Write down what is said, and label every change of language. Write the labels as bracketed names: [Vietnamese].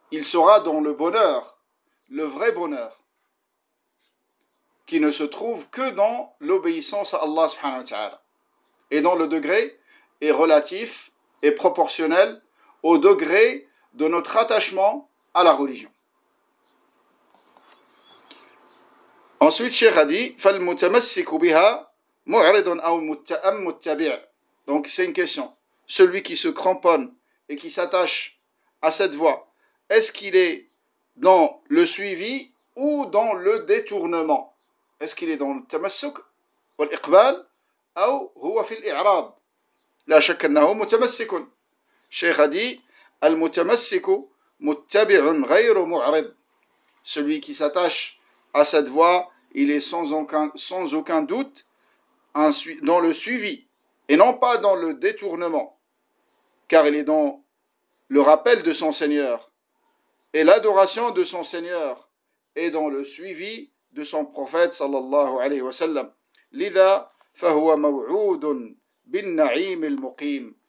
[French] Il sera dans le bonheur, le vrai bonheur, qui ne se trouve que dans l'obéissance à Allah subhanahu wa ta'ala. Et dont le degré est relatif et proportionnel au degré de notre attachement à la religion. Ensuite, Cheikh a dit, [Arabic] فَالْمُتَمَسِّكُ بِهَا مُعْرِدٌ أَوْ مُتَّبِعٌ. [French] Donc c'est une question. Celui qui se cramponne et qui s'attache à cette voie, est-ce qu'il est dans le suivi ou dans le détournement? Est-ce qu'il est dans le tamassuk ou l'iqbal ou [Arabic] huwa fil i'rad? La shak annahu mutamassikun. [French] Cheikh a dit, [Arabic] al-mutamassiku muttabi'un ghayru mu'rid. [French] Celui qui s'attache à cette voie, il est sans aucun doute dans le suivi et non pas dans le détournement, car il est dans le rappel de son Seigneur et l'adoration de son Seigneur et dans le suivi de son prophète sallallahu alayhi wa sallam. [Arabic] لذا فهو موعود بالنعيم المقيم.